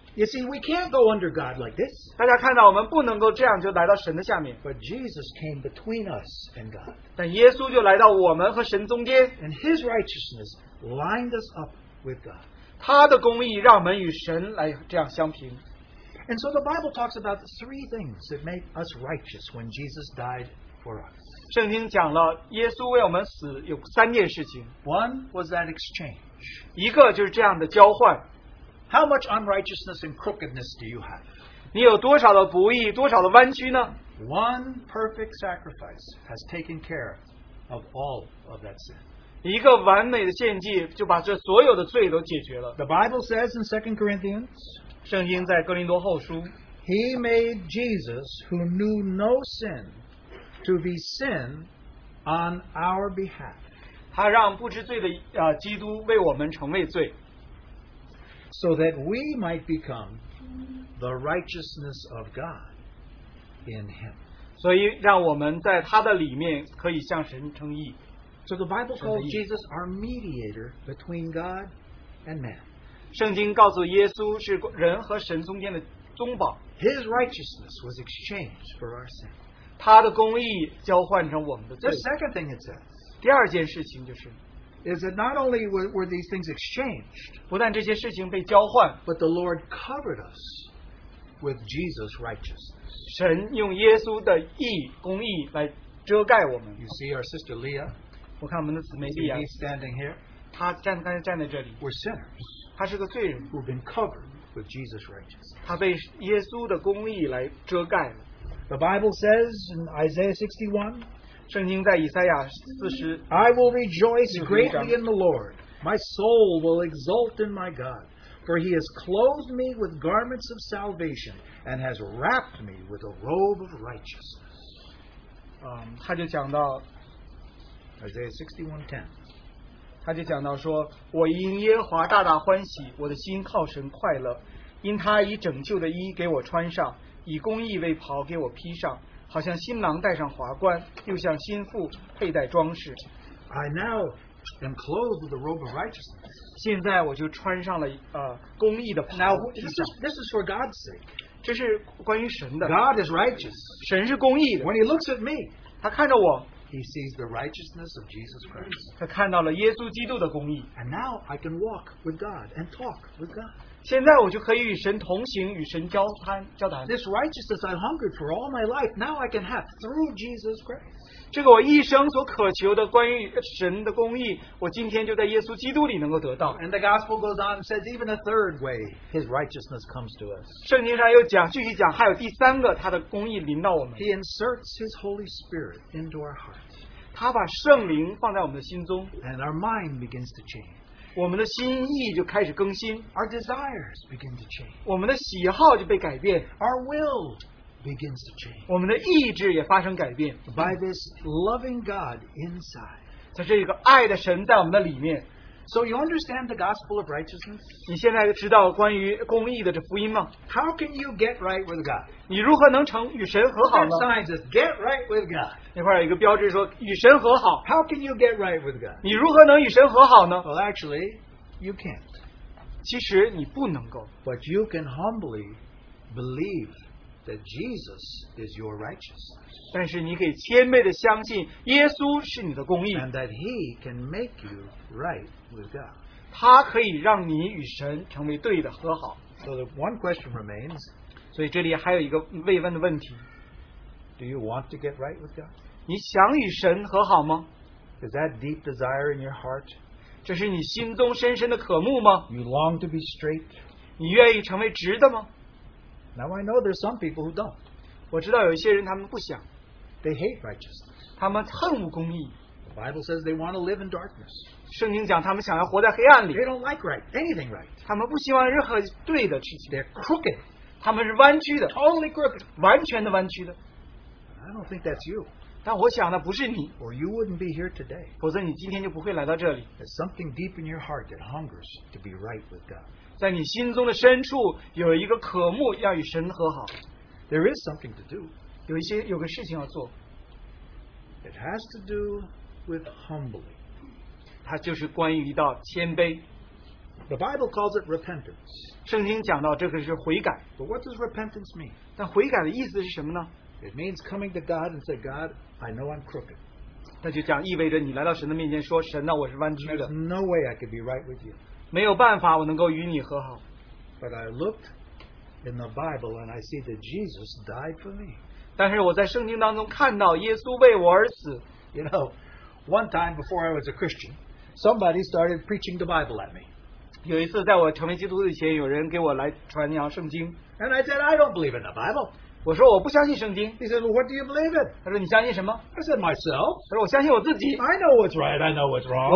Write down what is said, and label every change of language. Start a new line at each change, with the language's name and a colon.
English: You see, we can't go under God like this.
Chinese: 大家看到我们不能够这样就来到神的下面.
English: But Jesus came between us and God.
Chinese: 但耶稣就来到我们和神中间.
English: And his righteousness lined us up with God.
Chinese: 他的公义让我们与神来这样相平.
English: And so the Bible talks about the three things that make us righteous when Jesus died for us.
Chinese: 圣经讲了耶稣为我们死有三件事情.
English: One was that exchange.
Chinese: 一个就是这样的交换.
English: How much unrighteousness and crookedness do you have?
Chinese: 你有多少的不义, 多少的弯曲呢?
English: One perfect sacrifice has taken care of all of that sin.
Chinese: 一个完美的献祭就把这所有的罪都解决了.
English: The Bible says in 2 Corinthians,
Chinese: 圣经在哥林多后书,
English: He made Jesus, who knew no sin, to be sin on our behalf.
Chinese: 他让不知罪的, 基督为我们成为罪.
English: So that we might become the righteousness of God in Him.
Chinese: 所以让我们在他的里面可以向神称义.
English: So the Bible calls Jesus our mediator between God and man.
Chinese: 圣经告诉耶稣是人和神中间的中保.
English: His righteousness was exchanged for our sin.
Chinese: 他的公义交换成我们的罪.
English: The second thing it says,
Chinese: 第二件事情就是,
English: is that not only were these things exchanged,
Chinese: 不但这些事情被交换,
English: but the Lord covered us with Jesus' righteousness.
Chinese: 神用耶稣的义公义来遮盖我们.
English: You see our sister Leah,
Chinese: 我看我们的姊妹莉亚,
English: he's standing here,
Chinese: 她站在这里,
English: we're sinners,
Chinese: 她是个罪人,
English: who've been covered with Jesus' righteousness.
Chinese: 她被耶稣的公义来遮盖了.
English: The Bible says in Isaiah 61,
Chinese: 圣经在以赛亚四十,
English: I will rejoice greatly in the Lord. My soul will exult in my God. For he has clothed me with garments of salvation and has wrapped me with a robe of righteousness.
Chinese: 他就讲到,
English: Isaiah 61:10.
Chinese: 他就讲到说, 我因耶和华大大欢喜, 我的心靠神快乐, 因他以拯救的衣给我穿上, 以公义为袍给我披上, 好像新郎戴上华冠, 又像新妇佩戴装饰.
English: I now am clothed with the robe of righteousness.
Chinese: 现在我就穿上了, 公义的袍.
English: Now, this is for God's sake.
Chinese: 这是关于神的.
English: God is righteous.
Chinese: 神是公义的.
English: When he looks at me,
Chinese: 他看着我,
English: he sees the righteousness of Jesus Christ.
Chinese: 他看到了耶稣基督的公义.
English: And now I can walk with God and talk with God.
Chinese: 现在我就可以与神同行, 与神交谈,
English: this righteousness I hungered for all my life, now I can have through Jesus Christ.
Chinese: 这个我一生所渴求的关于神的公义, 我今天就在耶稣基督里能够得到.
English: And the gospel goes on and says even a third way his righteousness comes to us.
Chinese: 圣经上又讲, 继续讲, 还有第三个他的公义临到我们.
English: He inserts his Holy Spirit into our hearts.
Chinese: 他把圣灵放在我们的心中.
English: And our mind begins to change.
Chinese: 我们的心意就开始更新.
English: Our desires begin to change.
Chinese: 我们的喜好就被改变.
English: Our will begins to change.
Chinese: 我们的意志也发生改变.
English: By this loving God inside.
Chinese: 在这一个爱的神在我们的里面.
English: So you understand the gospel of righteousness?
Chinese: 你现在知道关于公义的这福音吗?
English: How can you get right with God?
Chinese: 你如何能成与神和好呢?
English: The sign says, get right with God.
Chinese: 那块有一个标志说与神和好.
English: How can you get right with God?
Chinese: 你如何能与神和好呢?
English: Well, actually, you can't.
Chinese: 其实你不能够.
English: But you can humbly believe that Jesus is your righteousness.
Chinese: 但是你可以谦卑地相信耶稣是你的公义,
English: and that he can make you right with God.
Chinese: 他可以让你与神成为对的和好。
English: So the one question remains,
Chinese: 所以这里还有一个未问的问题,
English: do you want to get right with God?
Chinese: 你想与神和好吗?
English: Is that deep desire in your heart?
Chinese: 这是你心中深深的渴慕吗?
English: You long to be straight?
Chinese: 你愿意成为直的吗?
English: Now I know there's some people who don't.
Chinese: 我知道有一些人他们不想。
English: They hate righteousness.
Chinese: 他们恨恶公义。
English: The Bible says they want to live in darkness.
Chinese: 圣经讲他们想要活在黑暗里。
English: They don't like right, anything right.
Chinese: 他们不希望任何对的事情。
English: They're crooked.
Chinese: 他们是弯曲的。
English: Totally crooked.
Chinese: 完全的弯曲的。
English: I don't think that's you.
Chinese: 但我想的不是你,
English: or you wouldn't be here today.
Chinese: 否则你今天就不会来到这里。
English: There's something deep in your heart that hungers to be right with God.
Chinese: 在你心中的深处有一个渴慕要与神和好。
English: There is something to do.
Chinese: 有一些有个事情要做。
English: It has to do with humbling.
Chinese: 它就是关于一道谦卑。
English: The Bible calls it repentance.
Chinese: 圣经讲到这个是悔改。
English: But what does repentance mean?
Chinese: 但悔改的意思是什么呢?
English: It means coming to God and say, God, I know I'm crooked.
Chinese: 那就讲意味着你来到神的面前说, 神啊, 我是弯曲的。
English: There's no way I could be right with you.
Chinese: 没有办法我能够与你和好。
English: But I looked in the Bible and I see that Jesus died for me.
Chinese: 但是我在圣经当中看到耶稣为我而死。
English: You know, one time before I was a Christian, somebody started preaching the Bible at me.
Chinese: 有一次在我成为基督徒以前, 有人给我来传扬圣经。
English: And I said, I don't believe in the Bible.
Chinese: 我说我不相信圣经。
English: He said, well, what do you believe in?
Chinese: 他说你相信什么?
English: I said, myself.
Chinese: 他说我相信我自己。
English: I know what's right, I know what's wrong.